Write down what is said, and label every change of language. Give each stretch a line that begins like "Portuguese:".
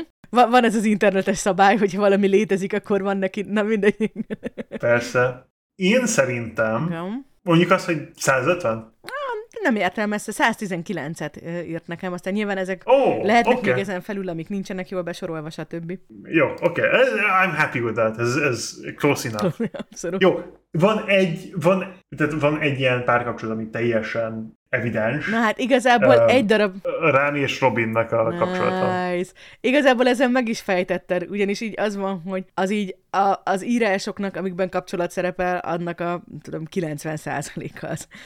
Hungarian: Van ez az internetes szabály, hogyha valami létezik, akkor van neki, na mindegy. Persze. Én szerintem, mondjuk azt, hogy 150? Nem értem ezt, 119-et írt nekem, aztán nyilván ezek lehetnek még ezen felül, amik nincsenek jól besorolva, stb.
English: Jó, I'm happy with that,
Hungarian: ez
English: close enough.
Hungarian: Abszolút. Jó, van egy ilyen párkapcsolat, ami teljesen evidens. Na hát igazából egy darab... Rami és Robinnak a kapcsolata.
English: Nice.
Hungarian: Igazából ezen meg is fejtetted, ugyanis így az van, hogy az írásoknak, amikben kapcsolat szerepel, annak a, tudom, 90%-a az.